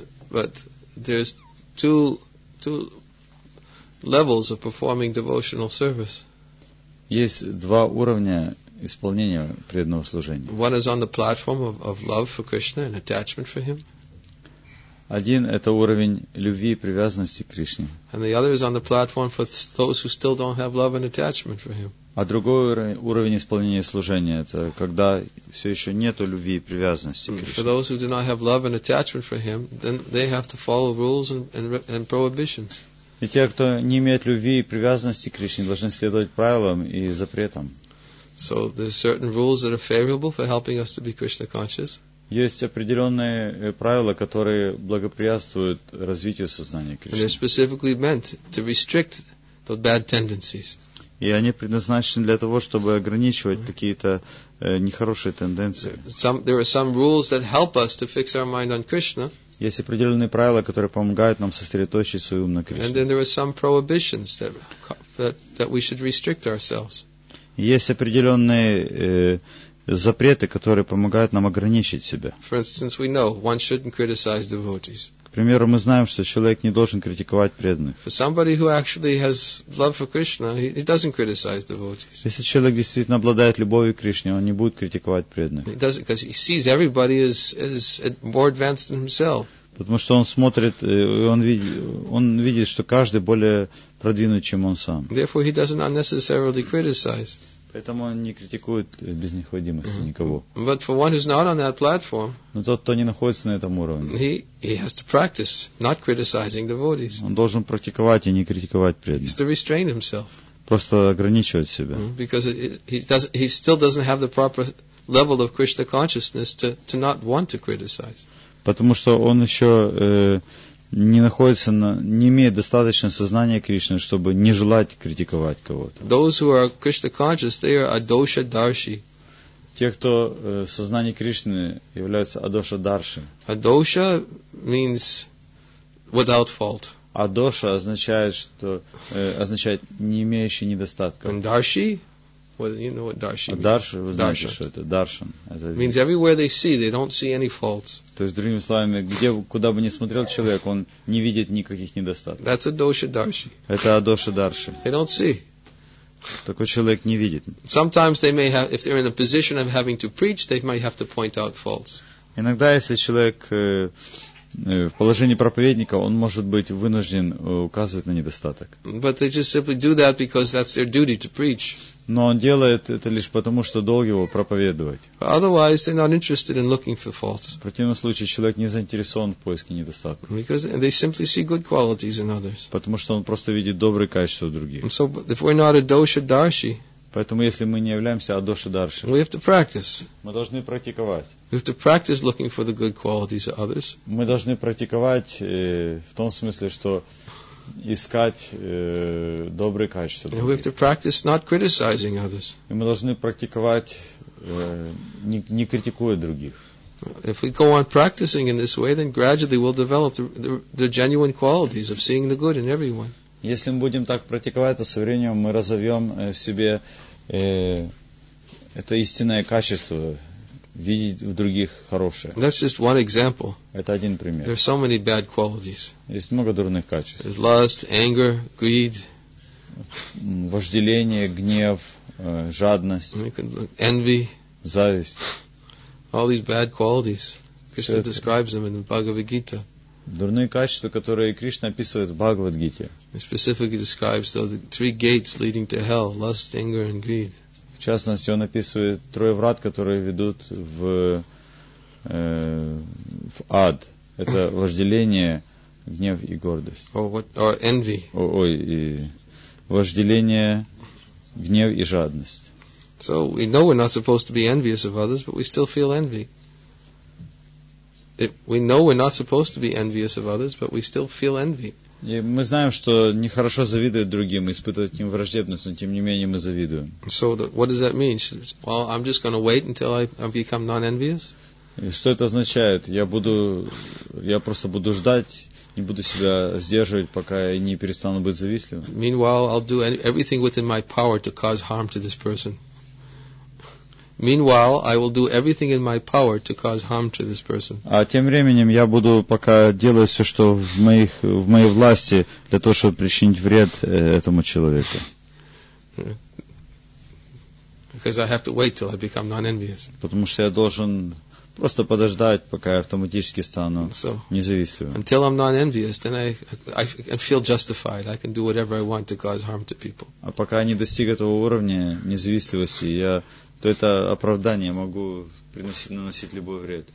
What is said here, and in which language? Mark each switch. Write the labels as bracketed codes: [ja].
[en] But there's two levels of performing devotional service. [ru] Есть два уровня исполнения преданного служения. [en] One is on the platform of love for Krishna and attachment for him. [ru] Один это уровень любви и привязанности к Кришне. [en] And the other is on the platform for those who still don't have love and attachment for him. [ru] А другой уровень исполнения служения это когда все еще нету любви и привязанности к Кришне. [en] For those who do not have love and attachment for him, then they have to follow rules and prohibitions. [ru] И те, кто не имеет любви и привязанности к Кришне, должны следовать правилам и запретам. [en] So there are certain rules that are favorable for helping us to be Krishna conscious. [ru] Есть определенные правила, которые благоприятствуют развитию сознания Кришны. [en] And they're specifically meant to restrict the bad tendencies. [ru] И они предназначены для того, чтобы ограничивать какие-то нехорошие тенденции. [en] There are some rules that help us to fix our mind on Krishna. [ru] Есть определенные правила, которые помогают нам сосредоточить свой ум на Кришне. [en] And then there are some prohibitions that we should restrict ourselves. [ru] Есть определенные запреты, которые помогают нам ограничить себя. [en] For instance, we know one shouldn't criticize devotees. [ru] К примеру, мы знаем, что человек не должен критиковать преданных. [en] For somebody who actually has love for Krishna, he doesn't criticize devotees. [ru] Если человек действительно обладает любовью к Кришне, он не будет критиковать преданных. [en] He doesn't, because he sees everybody is more advanced than himself. [ru] Потому что он смотрит, он видит, что каждый более продвинут, чем он сам. [en] Therefore, he doesn't unnecessarily criticize. [ru] Поэтому он не критикует без необходимости никого. [en] But for one who's not on that platform, [ru] но тот, кто не находится на этом уровне, [en] he has to practice not criticizing devotees. [ru] Он должен практиковать и не критиковать преданных. [en] He has to restrain himself. [ru] Просто ограничивать себя. [en] Because he still doesn't have the proper level of Krishna consciousness to not want to criticize. [ru] Потому что он еще не находится на, не имеет достаточно сознания Кришны, чтобы не желать критиковать кого-то. [en] Those who are Krishna conscious, they are adosha darshi. [ru] Те, кто сознание Кришны являются адоша дарши. [en] Adosha means without fault. [ru] Адоша означает, что означает не имеющий недостатка. [en] And darshi, well, you know what darshi means. [ru] Дарши, вы знаете, Darsha. Что это? Даршан. [en] Means everywhere they see, they don't see any faults. [ru] То есть, другими словами, где, куда бы ни смотрел человек, он не видит никаких недостатков. [en] That's adosha darshi. [ru] Это адоша дарши. [en] They don't see. [ru] Такой человек не видит. [en] Sometimes they may have, if they're in a position of having to preach, they might have to point out faults. [ru] Иногда, если человек в положении проповедника, он может быть вынужден указывать на недостаток. [en] But they just simply do that because that's their duty to preach. [ru] Но он делает это лишь потому, что долг его проповедовать. [en] Otherwise, they're not interested in looking for faults. [ru] В противном случае человек не заинтересован в поиске недостатков. [en] Because they simply see good qualities in others. [ru] Потому что он просто видит добрые качества в других. [en] So if we're not adosha darshi, [ru] поэтому если мы не являемся адоша дарши, [en] we have to practice. [ru] Мы должны практиковать. [en] We have to practice looking for the good qualities of others. [ru] Мы должны практиковать в том смысле, что искать добрые качества. [en] And we have to practice not criticizing others. [ru] И мы должны практиковать не критикуя других. [en] If we go on practicing in this way, then gradually we'll develop the genuine qualities of seeing the good in everyone. [ru] Если мы будем так практиковать, то со временем мы разовьем в себе это истинное качество видеть в других хорошее. [en] That's just one example. [ru] Это один пример. [en] There's so many bad qualities. [ru] Есть много дурных качеств. [en] There's lust, anger, greed. [ru] Вожделение, гнев, жадность. [en] Envy. [ru] Зависть. [en] All these bad qualities. Krishna describes them in the Bhagavad Gita. [ru] Дурные качества, которые Кришна описывает в Бхагавад-гите. [en] He specifically describes the three gates leading to hell: lust, anger, and greed. [ru] В частности, он описывает трое врат, которые ведут в ад. Это вожделение, гнев и гордость. [en] Or envy. [ru] И вожделение, гнев и жадность. [en] So we know we're not supposed to be envious of others, but we still feel envy. We know we're not supposed to be envious of others, but we still feel envy. [ru] И мы знаем, что нехорошо завидовать другим, испытывать к ним враждебность, но тем не менее мы завидуем. [en] So what does that mean? Well, I'm just going to wait until I become non-envious? [ru] И что это означает? Я просто буду ждать, не буду себя сдерживать, пока я не перестану быть завистливым. [en] Meanwhile, I'll do everything within my power to cause harm to this person. Meanwhile, I will do everything in my power to cause harm to this person. [ru] А тем временем я буду пока делать все, что в моей власти для того, чтобы причинить вред этому человеку. [en] Because I have to wait till I become non-envious. [ru] Потому что я должен просто подождать, пока я автоматически стану независимым. [en] Until I'm non-envious, then I feel justified. I can do whatever I want to cause harm to people. [ru] А пока я не достиг этого уровня независимости, я то это оправдание, могу наносить любой вред.